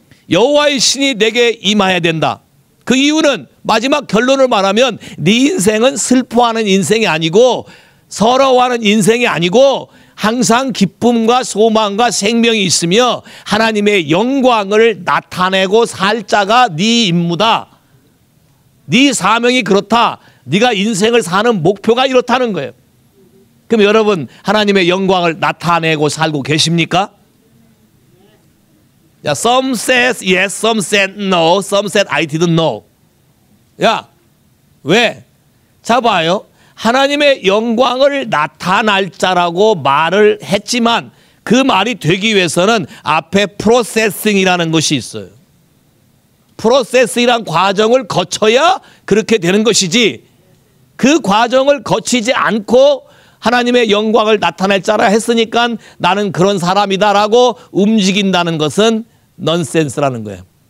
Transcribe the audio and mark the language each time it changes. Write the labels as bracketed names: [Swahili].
[Korean] 여호와의 신이 내게 임해야 된다. 그 이유는 마지막 결론을 말하면 네 인생은 슬퍼하는 인생이 아니고 서러워하는 인생이 아니고 항상 기쁨과 소망과 생명이 있으며 하나님의 영광을 나타내고 살 자가 네 임무다. 네 사명이 그렇다. 네가 인생을 사는 목표가 이렇다는 거예요. 그럼 여러분 하나님의 영광을 나타내고 살고 계십니까? [English] Some said yes, some said no, some said I didn't know. [Korean] 야, 왜? 자, 봐요. 하나님의 영광을 나타날 자라고 말을 했지만 그 말이 되기 위해서는 앞에 프로세싱이라는 것이 있어요. 프로세싱이란 과정을 거쳐야 그렇게 되는 것이지 그 과정을 거치지 않고 하나님의 영광을 나타낼 자라 했으니까 나는 그런 사람이다라고 움직인다는 것은 넌센스라는 거예요.